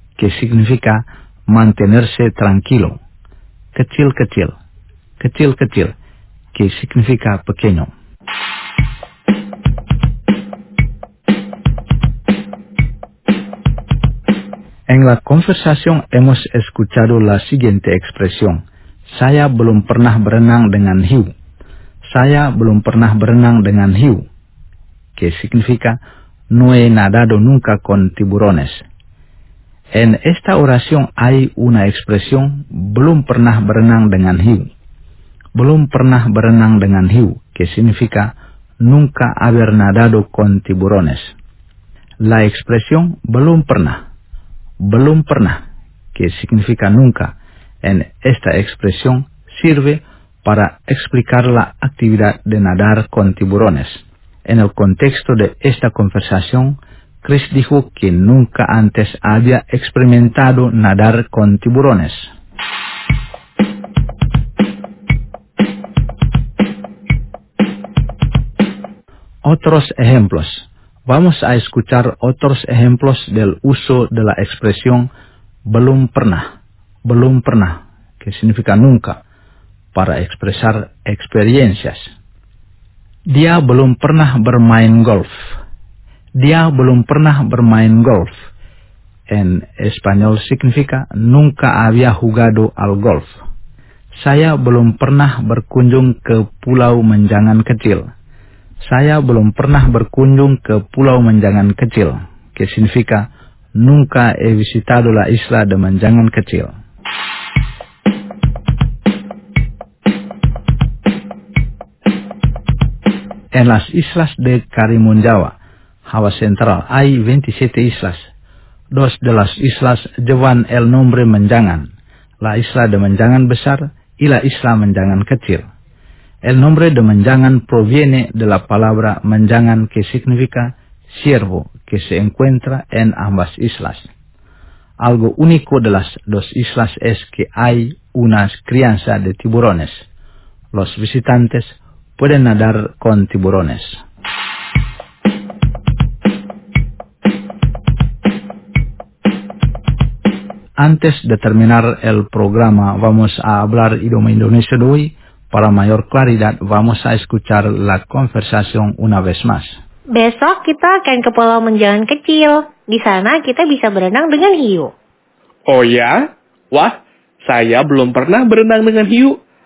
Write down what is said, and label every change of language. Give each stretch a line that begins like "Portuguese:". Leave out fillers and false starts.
Spanish: Que significa mantenerse tranquilo.
Indonesian: Kecil-kecil. Kecil-kecil.
Spanish: Que significa pequeño. En la conversación hemos escuchado la siguiente expresión.
Indonesian: Saya belum pernah berenang dengan hiu. Saya belum pernah berenang dengan hiu.
Spanish: Que significa no he nadado nunca con tiburones. En esta oración hay una expresión
Indonesian: belum pernah berenang dengan hiu. Belum pernah berenang dengan hiu.
Spanish: Que significa nunca haber nadado con tiburones. La expresión belum pernah. Belum pernah que significa nunca. En esta expresión sirve para explicar la actividad de nadar con tiburones. En el contexto de esta conversación, Chris dijo que nunca antes había experimentado nadar con tiburones. Otros ejemplos. Vamos a escuchar otros ejemplos del uso de la expresión belum pernah. Belum pernah, que significa nunca, para expresar experiencias.
Indonesian: Dia belum pernah bermain golf. Dia belum pernah bermain golf.
Spanish: En español significa nunca había jugado al golf.
Indonesian: Saya belum pernah berkunjung ke Pulau Menjangan Kecil. Saya belum pernah berkunjung ke Pulau Menjangan Kecil.
Spanish: Que significa nunca he visitado la isla de Menjangan Kecil. En las islas de Karimun Jawa, Java Central, hay 27 islas. Dos de las islas llevan el nombre Menjangan, la isla de Menjangan Besar y la isla Menjangan Kecil. El nombre de Menjangan proviene de la palabra Menjangan, que significa ciervo, que se encuentra en ambas islas. Algo único de las dos islas es que hay una crianza de tiburones. Los visitantes pueden nadar con tiburones. Antes de terminar el programa, vamos a hablar idioma indonesio de hoy. Para mayor claridad, vamos a escuchar la conversación una vez más.
Indonesian: Besok kita akan ke Pulau Menjangan Kecil. Di sana kita bisa berenang dengan hiu. Oh ya? Wah, saya belum pernah berenang dengan hiu.